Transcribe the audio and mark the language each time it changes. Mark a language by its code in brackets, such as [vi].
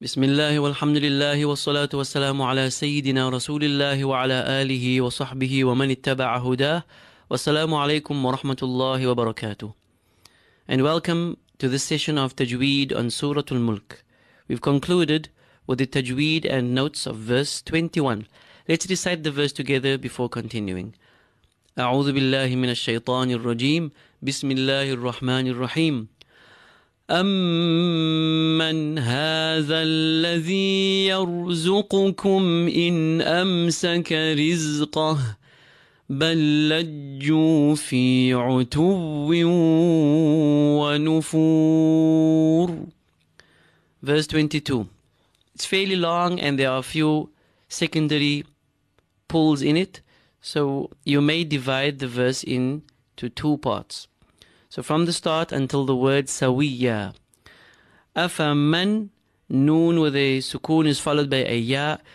[ar] بسم الله والحمد لله والصلاة والسلام على سيدنا رسول الله وعلى آله وصحبه ومن اتبع هداه والسلام عليكم ورحمة الله وبركاته. [en] And welcome to this session of Tajweed on Surah Al-Mulk. We've concluded with the Tajweed and notes of verse 21. Let's recite the verse together before continuing. [ar] أعوذ بالله من الشيطان الرجيم بسم الله الرحمن الرحيم أَمَّنْ هَذَا الَّذِي يَرْزُقُكُمْ إِنْ أَمْسَكَ رِزْقَهُ بَلْ لَجُّوا فِي عُتُوٍّ وَنُفُورٍ [en] Verse 22. It's fairly long and there are a few secondary pulls in it. So you may divide the verse into two parts. So from the start until the word sawiyya. Afaman, noon with a sukoon is followed by a ya.